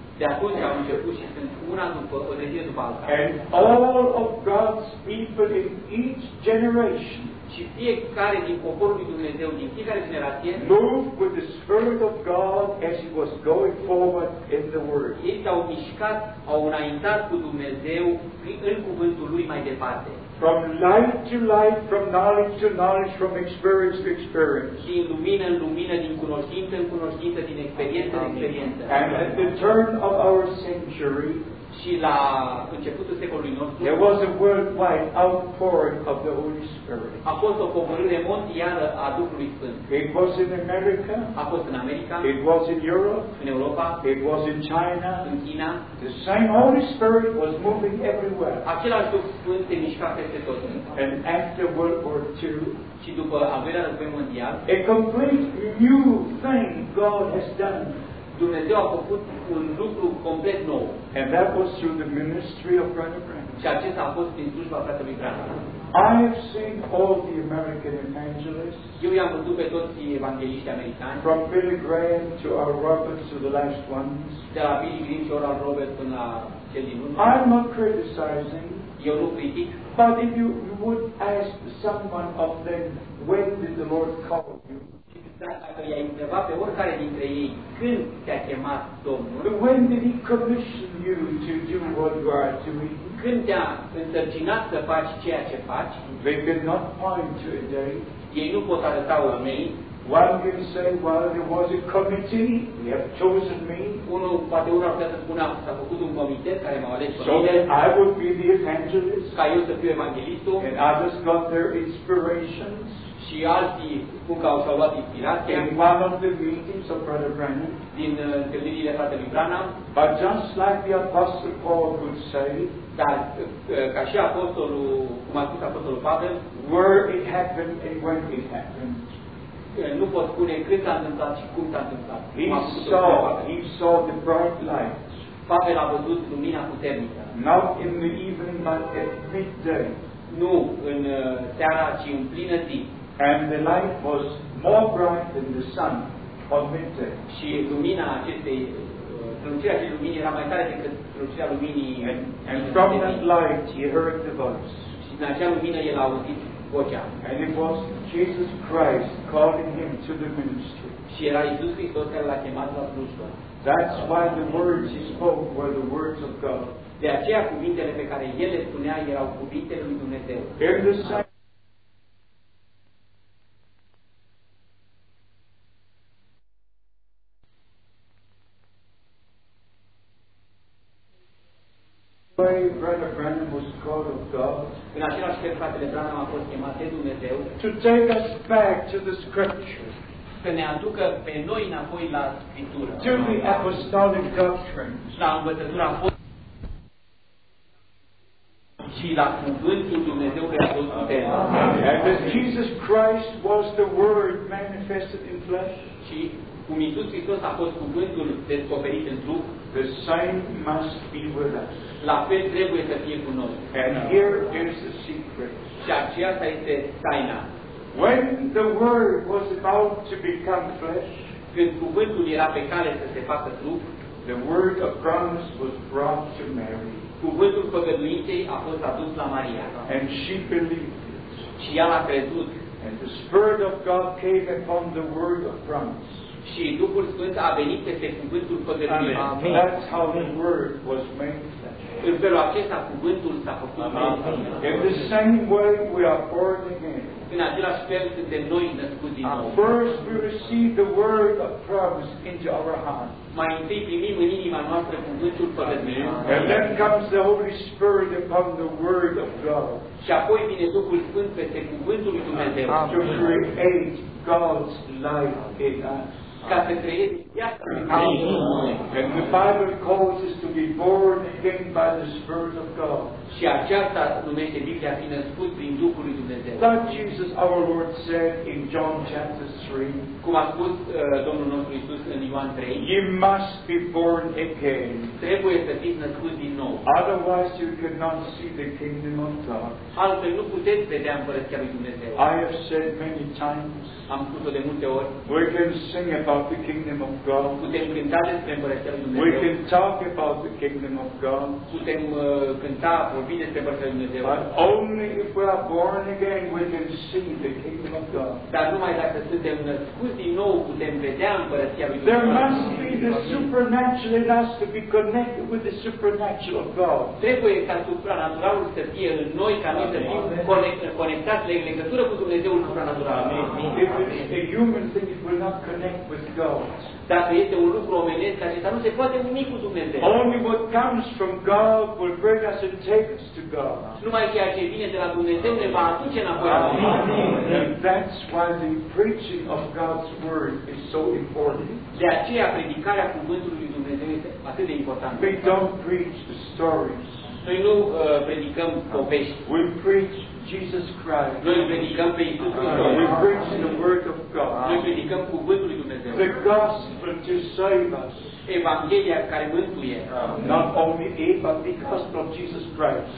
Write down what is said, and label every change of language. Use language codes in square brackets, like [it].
[ro] De atunci au început și sunt una după o trezire după alta. [en] And all of God's people in each generation, [ro] și fiecare din poporul lui Dumnezeu din fiecare generație, [en] moved with the Spirit of God as he was going forward in the Word. [ro] Ei s-au mișcat, au înaintat cu Dumnezeu în cuvântul lui mai departe. [en] From light to light, from knowledge to knowledge, from experience to experience. [ro] Din lumină în lumină, din cunoștință în cunoștință, din experiență în experiență. [en] And at the turn of our century, [ro] și la începutul secolului nostru, [en] there was a worldwide outpouring of the Holy Spirit. [ro] A fost o pogorâre mondială a Duhului Sfânt. [en] It was in America. [ro] A fost în America. [en] It was in Europe. [ro] În Europa. [en] It was in China. [ro] În China. [en] The same Holy Spirit was moving everywhere. [ro] Același Duh Sfânt se mișca peste tot. [en] And after World War II, [ro] și după al doilea război mondial, [en] a complete new thing God has done. [ro] Dumnezeu a făcut un lucru complet nou. [en] And that was through the ministry of Brother Branham. [ro] Și acesta a fost prin slujba fratelui Branham. [en] I have seen all the American evangelists. [ro] Eu i-am văzut pe toți evangeliștii americani. [en] From Billy Graham to Oral Roberts to the last ones. [ro] De la Billy Graham și Oral Roberts până cel din urmă. [en] I'm not criticizing. [ro] Eu nu critic. [en] But if you would ask someone of them, when did the Lord call you? [ro] Dacă i-ai întrebat pe oricare dintre ei când te-a chemat Domnul? [en] When did he commission you to do what you are doing? [ro] Când te-a însărcinat să faci ceea ce faci? [en] They could not point to a day. [ro] Ei nu pot arăta o zi. [en] One can say, well, there was a committee, they have chosen me. [ro] Unul poate unul ar putea să spună, s-a făcut un comitet care m-a ales pe mine. [en] So I would be the evangelist. [ro] Ca eu să fiu evanghelistul. [en] And others got their inspirations. [ro] Și alții spun că au s-au luat inspirația. [en] In one of the meetings of Brother Branham. [ro] Din întâlnirile fratelui Branham. [en] But just like the Apostle Paul would say. [ro] Dar ca și apostolul, cum a spus apostolul Pavel. [en] Where it happened and when it happened. [ro] Nu pot spune când s-a întâmplat și cum s-a întâmplat. [en] He saw the bright light. [ro] Pavel a văzut lumina puternică. [en] Not in the evening, but at midday. [ro] Nu în seara, ci în plină zi. [en] And the light was more bright than the sun on midday. [ro] Și lumina acestei, strălucirea acestei lumini era mai tare decât strălucirea luminii. [en] And from that light he heard the voice. [ro] Și din acea lumină el a auzit vocea. [en] And it was Jesus Christ calling him to the ministry. [ro] Și era Isus Hristos care l-a chemat la slujbă. [en] That's why the words he spoke were the words of God. [ro] De aceea cuvintele pe care el le spunea erau cuvintele lui Dumnezeu. [en] Brother Branham was called of God. [ro] În același fel, fratele Branham a fost chemat de Dumnezeu. [en] To take us back to the Scriptures. [ro] Să ne aducă pe noi înapoi la Scriptură. [en] To the apostolic doctrines. [ro] La învățătura apostolică. Și la cuvântul Dumnezeu care a fost puternic. [en] As Jesus Christ was the Word manifested in flesh. [ro] Și cum Iisus Hristos a fost cuvântul descoperit în trup. [en] The same must be with us. [ro] La fel trebuie să fie cu noi. [en] And here is the secret. [ro] Și aceasta este taina. [en] When the word was about to become flesh, [ro] când cuvântul era pe cale să se facă trup, [en] the word of promise was brought to Mary. [ro] Cuvântul făgăduinței a fost adus la Maria. [en] And she believed it. [ro] Și ea l-a crezut. [en] And the Spirit of God came upon the word of promise. [ro] Și Duhul Sfânt a venit peste cuvântul făgăduinței. [en] Amen. That's how the word was made. [ro] În felul acesta cuvântul s-a făcut. [en] In the same way we are born again. [ro] În același fel suntem noi născuți din nou. [en] First we receive the word of promise into our heart. [ro] Mai întâi primim în inima noastră cuvântul făgăduinței. [en] And then comes the Holy Spirit upon the word of God. [ro] Și apoi vine Duhul Sfânt peste cuvântul lui Dumnezeu. [en] To create God's life in us. [ro] Ca să creezi viața în noi. [en] Calls us to be born again by the Spirit of God. [ro] Și aceasta numește Biblia fi născut prin Duhul lui Dumnezeu. [en] That Jesus our Lord said in John chapter 3. [ro] Cum a spus Domnul nostru Iisus în Ioan 3. [en] You must be born again. [ro] Trebuie să fiți născut din nou. [en] Otherwise you cannot see the kingdom of God. [ro] Altfel nu puteți vedea împărăția lui Dumnezeu. [en] I have said many times. [ro] Am spus-o de multe ori. [en] We can sing about the kingdom of God. [ro] Putem cânta despre împărăția lui Dumnezeu. [en] We can talk about the kingdom of God. [ro] Putem cânta, vorbi despre împărăția lui Dumnezeu. [en] But only if we are born again we can see the kingdom of God. [ro] Dar numai dacă suntem născuți din nou putem vedea împărăția lui Dumnezeu. [en] There must be the supernatural in us to be connected with the supernatural of God. [ro] Trebuie ca supranaturalul să fie în noi, ca noi să fim conectați la legătură cu Dumnezeul supranatural. [en] Amen. If it is a human thing, it will not connect with God. [ro] Dacă este un lucru omenesc, acesta nu se poate nimic cu Dumnezeu. [en] Only what comes from God will bring us and take us to God. [ro] Numai ceea ce vine de la Dumnezeu ne va aduce înapoi la Dumnezeu. [en] That's why the preaching of God's word is so important. [ro] De aceea predicarea cuvântului lui Dumnezeu este atât de importantă. [en] We don't preach the stories. [ro] Noi nu predicăm povești. [en] We preach Jesus Christ. [ro] Noi predicăm pe Iisus [en] Hristos. We preach the word of God. [ro] Noi predicăm cuvântul lui Dumnezeu. [en] The gospel to save us. [ro] Evanghelia care mântuie. [en] Not only it, but the gospel of Jesus Christ.